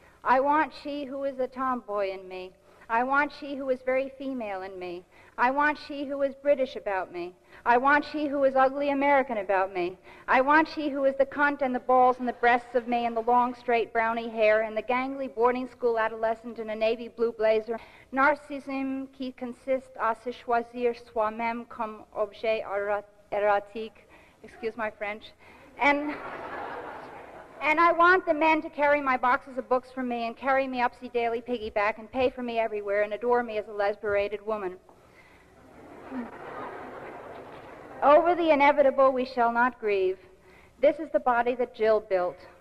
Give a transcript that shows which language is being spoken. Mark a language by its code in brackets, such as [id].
[en] I want she who is a tomboy in me. I want she who is very female in me. I want she who is British about me. I want she who is ugly American about me. I want she who is the cunt and the balls and the breasts of me and the long, straight, browny hair and the gangly boarding school adolescent in a navy blue blazer. [fr] Narcissism qui consiste à se choisir soi-même comme objet erotique. [en] Excuse my French. And I want the men to carry my boxes of books for me and carry me upsy daily piggyback and pay for me everywhere and adore me as a lesberated woman. Over the inevitable we shall not grieve. This is the body that Jill built.